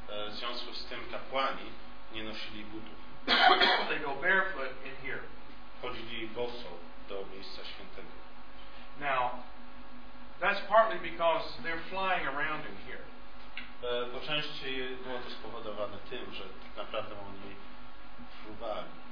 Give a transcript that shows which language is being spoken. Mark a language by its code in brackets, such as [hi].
[pl] W związku z tym kapłani nie nosili butów. [en] They go barefoot in here. [pl] Chodzili boso do miejsca świętego. [en] Now, that's partly because they're flying around in here. [pl] Po części było to spowodowane tym, że tak naprawdę oni fruwali.